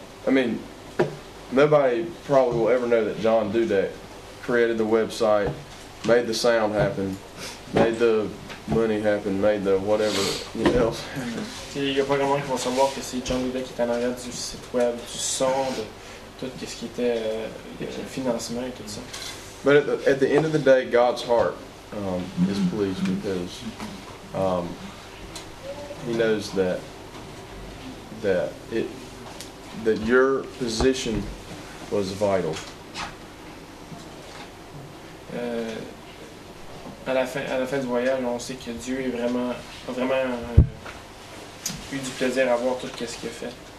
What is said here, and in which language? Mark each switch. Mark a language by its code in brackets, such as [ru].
[en] I mean, nobody probably will ever know that John Dudek created the website, made the sound happen. Made the money happen, made the whatever else. [fr] Il n'y a pas grand monde qui va savoir que c'est John Dudek qui est en arrière du site web, du son, de tout ce qui était financement et tout ça. [en] But at the end of the day, God's heart is pleased because he knows that your position was vital. [fr] À la fin du voyage, on sait que Dieu est vraiment eu du plaisir à voir tout ce qu'il a fait.